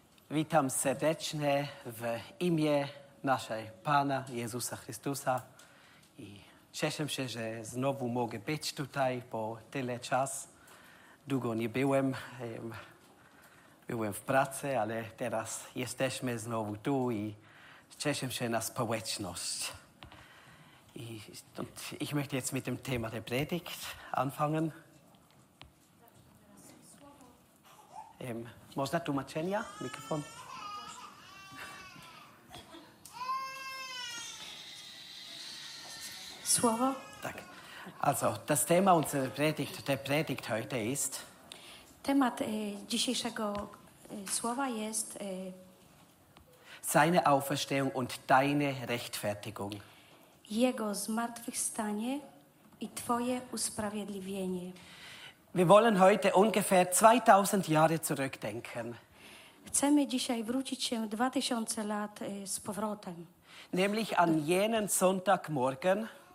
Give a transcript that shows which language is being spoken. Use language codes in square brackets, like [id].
[pl] Witam serdecznie w imię naszej Pana Jezusa Chrystusa i cieszę się, że znowu mogę być tutaj, bo tyle czas długo nie byłem. Byłem w pracy, ale teraz jesteśmy znowu tu i cieszę się na społeczność. [de] I ich möchte jetzt mit dem Thema der Predigt anfangen. [pl] Można tłumaczenia? Mikrofon. Słowo. Tak. [de] Also, das Thema unserer Predigt, der Predigt heute ist... [pl] Temat dzisiejszego słowa jest... [de] Seine Auferstehung und deine Rechtfertigung. [pl] Jego zmartwychwstanie i twoje usprawiedliwienie. [de] Wir wollen heute ungefähr 2000 Jahre zurückdenken. [pl] Chcemy dzisiaj wrócić się 2000 lat z powrotem. [de] Nämlich an jenen Sonntagmorgen.